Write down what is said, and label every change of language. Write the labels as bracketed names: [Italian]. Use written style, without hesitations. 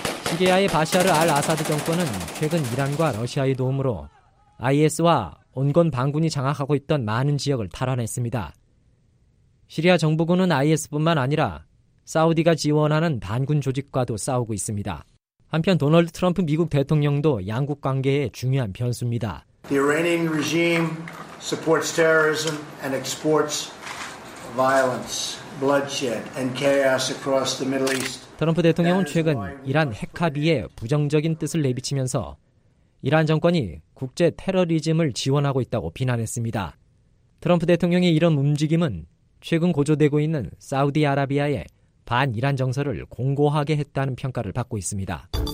[Korean] 시리아의 바샤르 알 아사드 정권은 최근 이란과 러시아의 도움으로 IS와 온건 반군이 장악하고 있던 많은 지역을 탈환했습니다. 시리아 정부군은 IS뿐만 아니라 사우디가 지원하는 반군 조직과도 싸우고 있습니다. 한편 도널드 트럼프 미국 대통령도 양국 관계의 중요한 변수입니다. [English] The Iranian regime supports terrorism and exports violence. bloodshed and chaos across the Middle East. [Korean] 트럼프 대통령은 최근 이란 핵 합의에 부정적인 뜻을 내비치면서 이란 정권이 국제 테러리즘을 지원하고 있다고 비난했습니다. 트럼프 대통령의 이런 움직임은 최근 고조되고 있는 사우디아라비아의 반이란 정서를 공고하게 했다는 평가를 받고 있습니다.